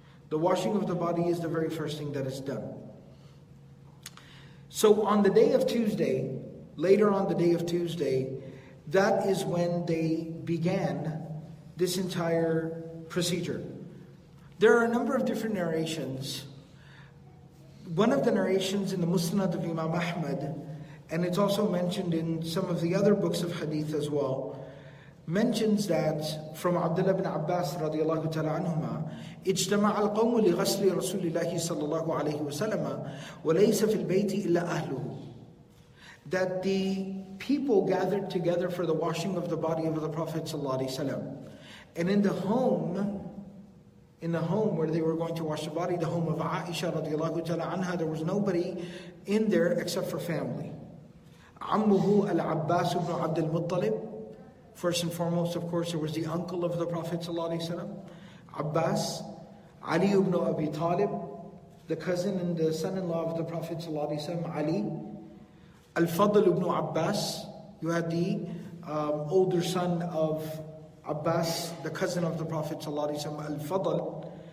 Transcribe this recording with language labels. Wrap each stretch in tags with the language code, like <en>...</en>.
<en>The washing of the body is the very first thing that is done. So on the day of Tuesday, later on the day of Tuesday, that is when they began this entire procedure. There are a number of different narrations. One of the narrations in the Musnad of Imam Ahmad, and it's also mentioned in some of the other books of hadith as well, mentions that from Abdullah ibn Abbas radiallahu ta'ala anhuma,</en> <ar>اجتمع القوم لغسل رسول الله صلى الله عليه وسلم وليس في البيت إلا أهله.</ar> <en>That the people gathered together for the washing of the body of the Prophet sallallahu alaihi wasallam, and in the home where they were going to wash the body, the home of Aisha radiallahu ta'ala anha, there was nobody in there except for family.</en> <ar>عمّه العباس بن عبد المطلب.</ar> <en>First and foremost, of course, there was the uncle of the Prophet sallallahu alaihi wasallam, Abbas. Ali ibn Abi Talib, the cousin and the son-in-law of the Prophet sallallahu alaihi wasallam, Ali. Al-Fadl ibn Abbas, you had the older son of Abbas, the cousin of the Prophet sallallahu alaihi wasallam, Al-Fadl.</en>